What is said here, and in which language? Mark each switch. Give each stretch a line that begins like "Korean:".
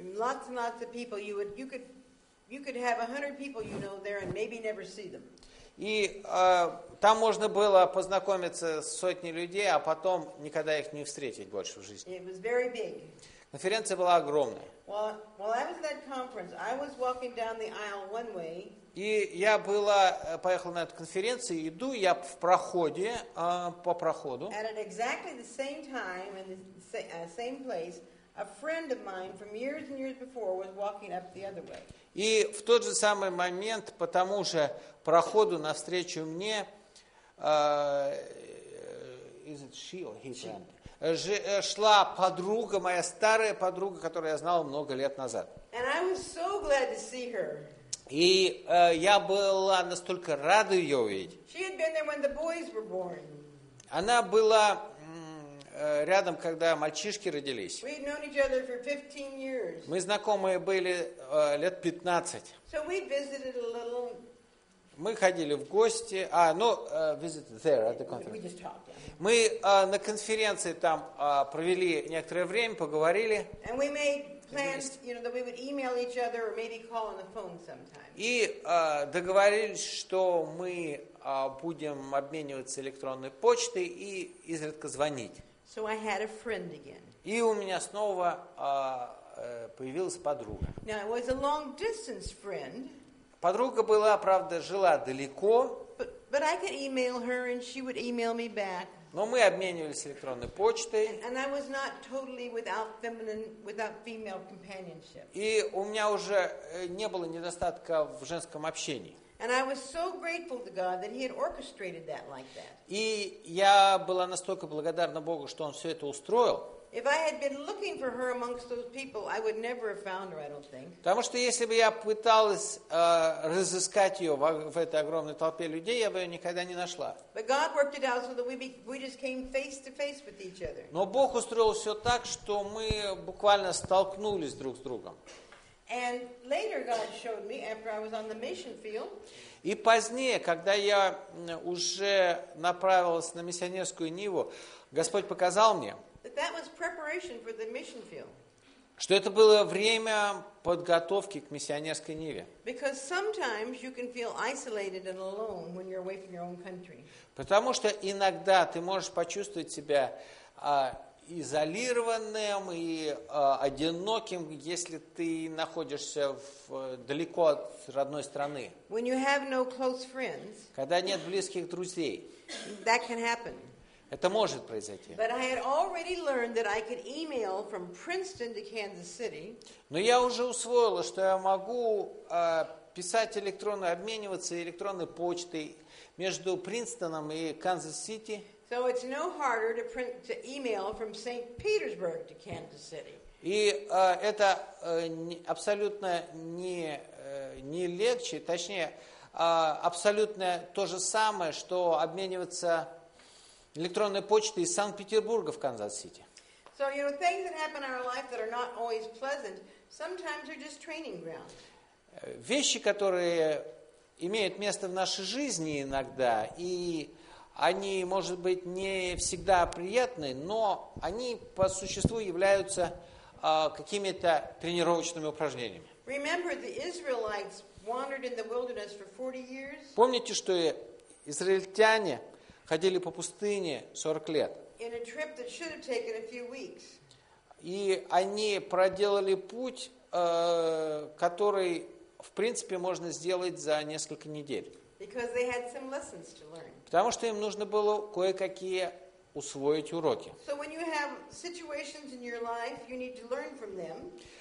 English: Lots and lots of people. You could have 100 people you know there and maybe never see them.
Russian: И там можно было познакомиться с сотней людей, а потом никогда их не встретить больше в жизни.
English: It was very big.
Russian: Конференция была огромная.
English: While I was at that conference, I was walking down the aisle one way.
Russian: И я была, поехала на эту конференцию, иду я в проходе, по проходу.
English: And at exactly the same time, in the same place, a friend of mine from years and years before was walking up the other way.
Russian: И в тот же самый момент, по тому же проходу, навстречу мне,
English: is it she or his friend?
Russian: Шла подруга, моя старая подруга, которую я знал много лет назад.
English: And I was so glad to see her.
Russian: И я была настолько рада ее увидеть.
English: She had been there when the boys were born.
Russian: Она была рядом, когда мальчишки родились.
English: We had known each other for 15 years.
Russian: Мы знакомы были лет 15.
English: So we visited a little.
Russian: Мы ходили в гости.
English: Visited there at the conference. We just talked. Yeah.
Russian: Мы на конференции там провели некоторое время, поговорили.
English: And we made plans, you know, that we would email each other or maybe call on the phone sometime.
Russian: И договорились, что мы будем обмениваться электронной почтой и изредка звонить.
English: So I had a friend again.
Russian: И у меня снова появилась подруга.
English: Now it was a long distance friend.
Russian: Подруга была, правда, жила далеко.
English: But I could email her and she would email me back.
Russian: Но мы обменивались электронной почтой.
English: And I was not totally without female companionship.
Russian: И у меня уже не было недостатка в женском общении.
English: And I was so grateful to God that he had orchestrated that like that.
Russian: И я была настолько благодарна Богу, что он все это устроил.
English: If I had been looking for her amongst those people, I would never have found her, I don't think.
Russian: Потому что если бы я пыталась разыскать ее в этой огромной толпе людей, я бы ее никогда не нашла.
English: But God worked it out so that we just came face to face with each other.
Russian: Но Бог устроил все так, что мы буквально столкнулись друг с другом.
English: And later God showed me after I was on the mission field.
Russian: И позднее, когда я уже направилась на миссионерскую ниву, Господь показал мне,
English: that was preparation for the mission field.
Russian: Что это было время подготовки к миссионерской ниве.
English: Because sometimes you can feel isolated and alone when you're away from your own country.
Russian: Потому что иногда ты можешь почувствовать себя изолированным и одиноким, если ты находишься далеко от родной страны.
English: When you have no close friends.
Russian: Когда нет близких друзей.
English: That can happen.
Russian: Это может произойти.
English: But I had already learned that I could email from Princeton to Kansas City.
Russian: Но я уже усвоила, что я могу писать электронно, обмениваться электронной почтой между Принстоном и Канзас-Сити.
English: So it's no harder to email from St. Petersburg to Kansas City.
Russian: И это абсолютно не легче, точнее, абсолютно то же самое, что обмениваться электронной почты из Санкт-Петербурга в Канзас-Сити.
English: So, you know, things that happen in our life that are not always pleasant, sometimes are just training ground.
Russian: Вещи, которые имеют место в нашей жизни иногда, и они, может быть, не всегда приятны, но они по существу являются какими-то тренировочными упражнениями.
English: Remember, the Israelites wandered in the wilderness for 40 years?
Russian: Помните, что израильтяне ходили по пустыне 40 лет.
English: In a trip that should have taken a few weeks.
Russian: И они проделали путь, который, в принципе, можно сделать за несколько недель.
English: Because they had some lessons to learn.
Russian: Потому что им нужно было кое-какие усвоить уроки.
English: So when you have situations in your life, you need to learn from them.